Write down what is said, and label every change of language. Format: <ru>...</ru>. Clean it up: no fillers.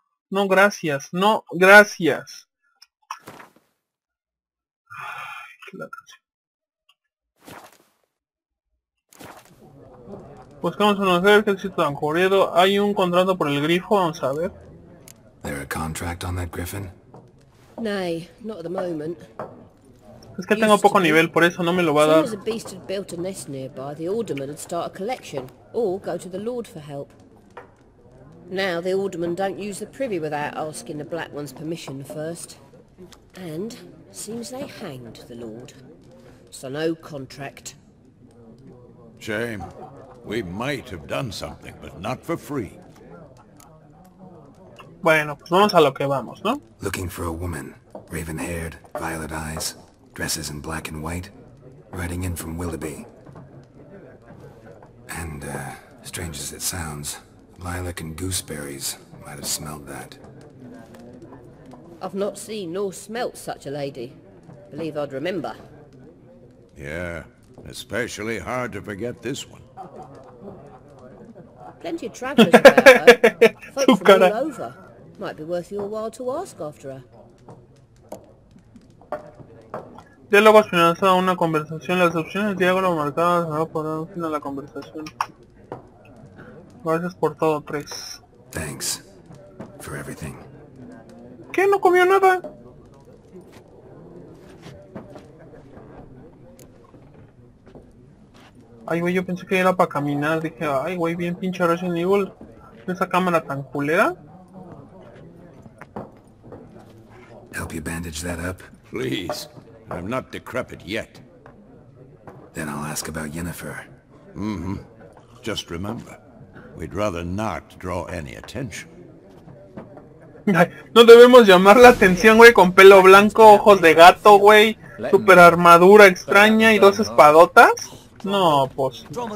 <es>No, gracias, no, gracias. Ay, qué lata. Buscamos un ejército tan jodido. Hay un contrato por el grifo, vamos a ver.</es> <en>There a contract on that griffin? Nay, not at the moment.</en> <es>Es que tengo poco nivel, por eso no me lo va a dar.</es> <en>As a beast had built a nest nearby, the alderman would start a collection, or go to the lord for help. Now the alderman don't use the privy without asking the black one's permission first, and seems they hanged the lord. So no contract. Shame. We might have done something, but not for free.</en> <es>Bueno, pues vamos a lo que vamos, ¿no?</es> <en>Looking for a woman, raven-haired, violet eyes, dresses in black and white, riding in from Willoughby. And strange as it sounds, lilac and gooseberries might have smelled that. I've not seen nor smelt such a lady. Believe I'd remember. Yeah, especially hard to forget this one. Plenty of travelers about, though. Folks from all over. Might be worth your while to ask after her.</en> <es>Diálogos finalizados, una conversación. Las opciones diálogo marcadas no podrán dar fin a la conversación. Gracias por todo, Tres.</es> <en>Thanks for everything.</en> <es>¿Qué? ¿No comió nada? Ay, güey, yo pensé que era para caminar. Dije, ay, güey, bien pinche Resident Evil. Esa cámara tan culera.</es> <en>Help you bandage that up? Please. I'm not decrepit yet. Then I'll ask about Yennefer. Mm-hmm. Just remember, we'd rather not draw any attention.</en> <es>No debemos llamar la atención, güey, con pelo blanco, ojos de gato, güey, super armadura extraña y dos espadotas. No, pues.</es>